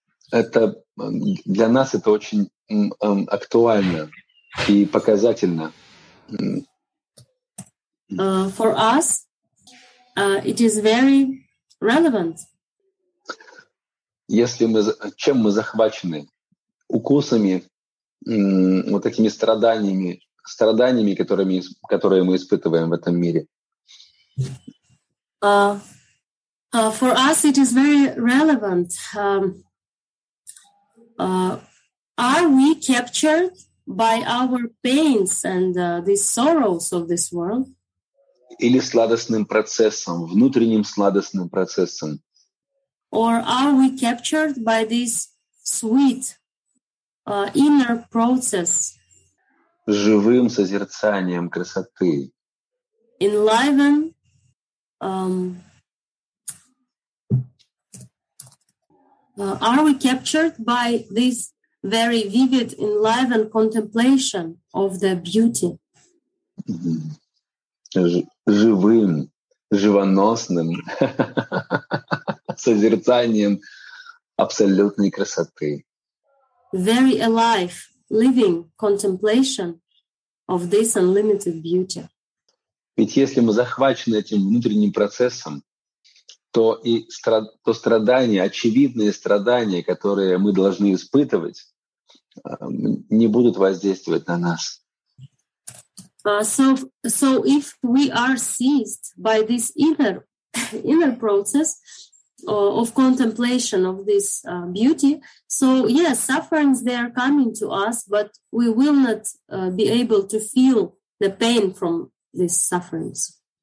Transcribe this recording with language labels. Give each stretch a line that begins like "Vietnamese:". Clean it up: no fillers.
Russian: Это для нас это очень актуально и показательно.
English: For us, it is very relevant.
Russian: Если мы, чем мы захвачены? Укусами, вот такими страданиями, страданиями, которыми, которые мы испытываем в этом мире.
English: For us it is very relevant. Are we captured by our pains and the sorrows of this world?
Russian: Или сладостным процессом, внутренним сладостным процессом?
English: Or are we captured by this sweet inner process?
Russian: Живым созерцанием красоты.
English: Enliven, are we captured by this very vivid, enlivened contemplation of the beauty?
Russian: Живым, живоносным созерцанием абсолютной красоты.
English: Very alive, living contemplation of this unlimited beauty.
Russian: Ведь если мы захвачены этим внутренним процессом, то и то страдания, очевидные страдания, которые мы должны испытывать, не будут воздействовать на нас.
English: So if we are seized by this inner process of contemplation of this beauty, so yes, sufferings they are coming to us, but we will not be able to feel the pain from these sufferings.